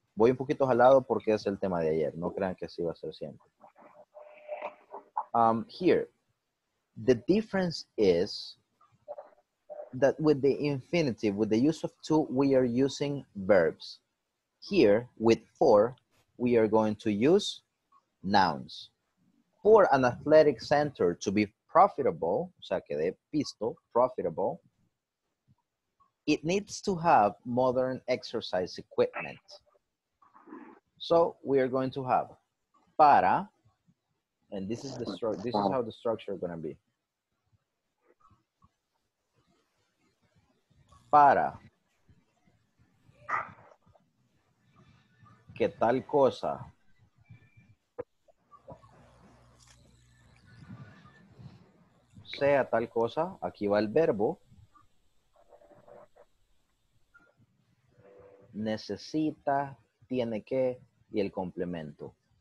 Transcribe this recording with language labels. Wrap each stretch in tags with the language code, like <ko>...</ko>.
<es>Voy un poquito jalado porque es el tema de ayer. No crean que así va a ser siempre.</es> <en>Here. The difference is that with the infinitive, with the use of to, we are using verbs. Here, with for, we are going to use nouns. For an athletic center to be profitable,</en> <es>o sea, que de pisto,</es> <en>profitable, it needs to have modern exercise equipment. So we are going to have para, and this is the this is how the structure is going to be.</en> <es>Para que tal cosa sea tal cosa, aquí va el verbo, necesita, tiene que, y el complemento.</es>